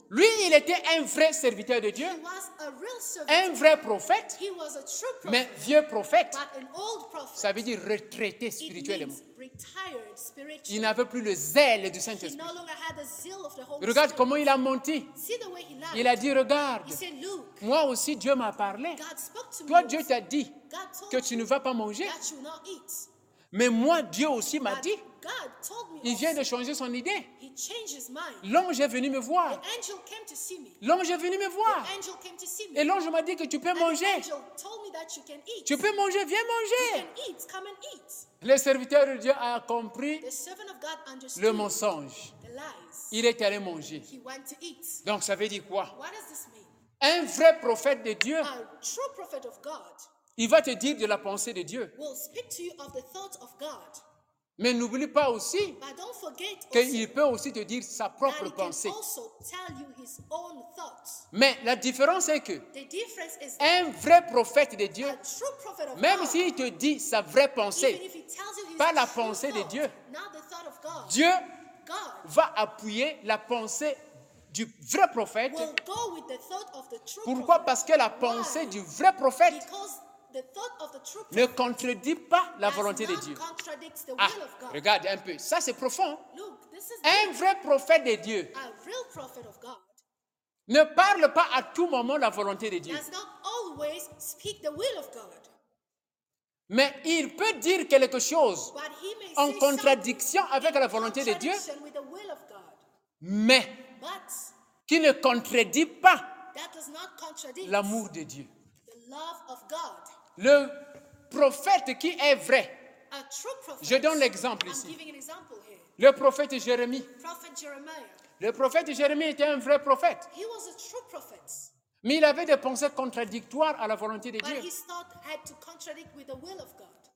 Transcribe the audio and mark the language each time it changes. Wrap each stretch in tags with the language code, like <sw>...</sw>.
<fr>Lui, il était un vrai serviteur de Dieu.</fr> <en>He was a real servant.</en> <fr>Un vrai prophète.</fr> <en>He was a true prophet.</en> <fr>Mais vieux prophète.</fr> <en>But an old prophet.</en> <fr>Ça veut dire retraité spirituellement.</fr> <en>It means retired spiritually.</en> <fr>Il n'avait plus le zèle du Saint-Esprit.</fr> <en>He no longer had the zeal of the Holy</en> <fr>Spirit. Regarde comment il a menti.</fr> <en>See the way he laughed.</en> <fr>Il a dit, regarde,</fr> <en>he said, Look,</en> <fr>moi aussi Dieu m'a parlé.</fr> <en>God spoke to</en> <fr>toi,</fr> <en>me</en> <fr>Dieu t'a dit</fr> <en>God told</en> <fr>que tu ne vas pas manger.</fr> <en>That you will not eat.</en> <fr>Mais moi, Dieu aussi m'a dit.</fr> <en>God told me</en> <fr>il vient de changer son idée.</fr> <en>He changed his mind.</en> <fr>L'ange est venu me voir.</fr> <en>The angel came to see me.</en> <fr>L'ange est venu me voir.</fr> <en>The angel came to see me.</en> <fr>Et l'ange m'a dit que tu peux</fr> <en>and</en> <fr>manger.</fr> <en>The angel told me that you can eat.</en> <fr>Tu peux manger, viens manger.</fr> <en>You can eat. Come and eat.</en> <fr>Le serviteur de Dieu a compris</fr> <en>the servant of God understood</en> <fr>le mensonge.</fr> <en>The lies.</en> <fr>Il est allé manger.</fr> <en>He went to eat.</en> <fr>Donc ça veut dire quoi?</fr> <en>What does this mean?</en> <fr>Un vrai prophète de Dieu.</fr> <en>A true prophet of God.</en> <fr>Il va te dire de la pensée de Dieu.</fr> <en>Will speak to you of the thought of God.</en> <fr>Mais n'oublie pas aussi qu'il peut aussi te dire sa propre pensée.</fr> <en>Also tell you his own thoughts.</en> <fr>Mais la différence est que</fr> <en>the difference is</en> <fr>un vrai prophète de Dieu,</fr> <en>a true prophet of</en> <fr>même</fr> <en>God,</en> <fr>s'il te dit sa vraie pensée,</fr> <en>even if he tells you his</en> <fr>pas la</fr> <en>true</en> <fr>pensée</fr> <en>thought,</en> <fr>de Dieu,</fr> <en>not the thought of God,</en> <fr>Dieu</fr> <en>God</en> <fr>va appuyer la pensée du vrai prophète.</fr> <en>Will go with the thought of the true</en> <fr>pourquoi?</fr> <en>Prophet.</en> <fr>Parce que la pensée</fr> <en>why?</en> <fr>Du vrai prophète</fr> <en>because the thought of the true prophet</en> <fr>ne contredit pas la volonté de Dieu. Ah, regarde un peu. Ça, c'est profond.</fr> <en>Look, this is</en> <fr>un</fr> <en>deep.</en> <fr>Vrai prophète de Dieu</fr> <en>a real prophet of God</en> <fr>ne parle pas à tout moment la volonté de Dieu.</fr> <en>Does not always speak the will of God.</en> <fr>Mais il peut dire quelque chose</fr> <en>but he may</en> <fr>en contradiction avec la volonté de Dieu</fr> <en>with the will of God.</en> <fr>Mais</fr> <en>but</en> <fr>qui ne contredit pas</fr> <en>that does not contradict</en> <fr>l'amour de Dieu.</fr> <en>The love of God.</en> <fr>Le prophète qui est vrai.</fr> <en>A true prophet.</en> <fr>Je donne l'exemple ici.</fr> <en>I'm giving an example here.</en> <fr>Le prophète Jérémie.</fr> <en>Prophet Jeremiah.</en> <fr>Le prophète Jérémie était un vrai prophète.</fr> <en>He was a true prophet.</en> <fr>Mais il avait des pensées contradictoires à la volonté de</fr> <en>but</en> <fr>Dieu.</fr> <en>His thought had to contradict with the will of God.</en>